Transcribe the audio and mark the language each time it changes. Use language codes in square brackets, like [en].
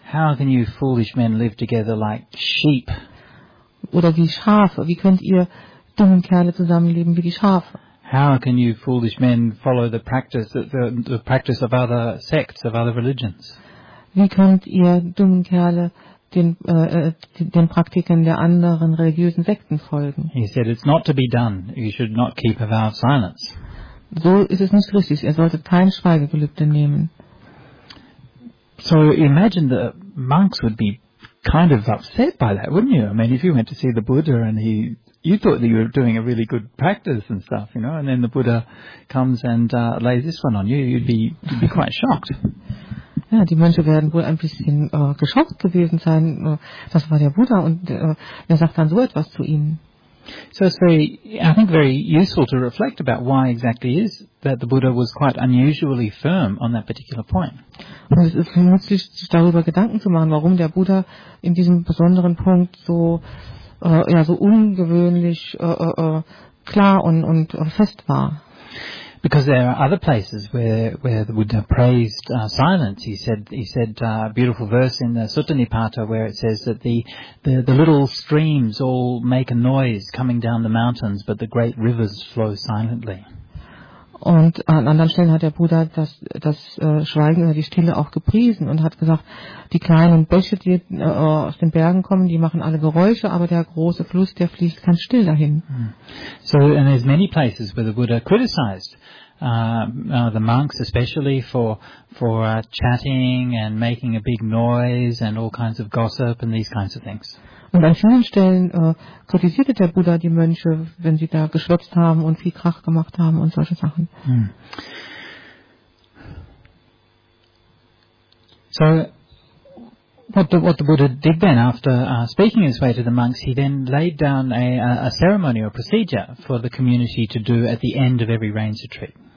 [en] How can you foolish men live together like sheep? [de] Oder wie Schafe, wie könnt ihr dummen Kerle zusammenleben wie die Schafe? [en] How can you foolish men follow the practice of other sects, of other religions? [de] Wie könnt ihr dummen Kerle den Praktiken der anderen religiösen Sekten folgen? [en] He said, it's not to be done. You should not keep a vow of silence. [de] So ist es nicht richtig. Er sollte kein Schweigegelübde nehmen. [en] So imagine the monks would be kind of upset by that, wouldn't you? I mean, if you went to see the Buddha and you thought that you were doing a really good practice and stuff, you know, and then the Buddha comes and lays this one on you, you'd be quite shocked. [de] Ja, die Mönche werden wohl ein bisschen geschockt gewesen sein. Das war der Buddha, und er sagt dann so etwas zu ihnen. [en] So it's very, I think, very useful to reflect about why exactly is that the Buddha was quite unusually firm on that particular point. [de] Und es ist nützlich, sich darüber Gedanken zu machen, warum der Buddha in diesem besonderen Punkt so ungewöhnlich klar und fest war. [en] Because there are other places where the Buddha praised silence. He said a beautiful verse in the Sutta Nipata, where it says that the little streams all make a noise coming down the mountains, but the great rivers flow silently. [de] Und an anderen Stellen hat der Buddha das Schweigen oder die Stille auch gepriesen und hat gesagt, die kleinen Bäche, die aus den Bergen kommen, die machen alle Geräusche, aber der große Fluss, der fließt ganz still dahin. [en] So, and there's many places where the Buddha criticized the monks, especially for chatting and making a big noise and all kinds of gossip and these kinds of things. [de] Und an vielen Stellen kritisierte der Buddha die Mönche, wenn sie da geschwätzt haben und viel Krach gemacht haben und solche Sachen. [en] So, what the Buddha did then after speaking his way to the monks, he then laid down a ceremony or procedure for the community to do at the end of every rains retreat.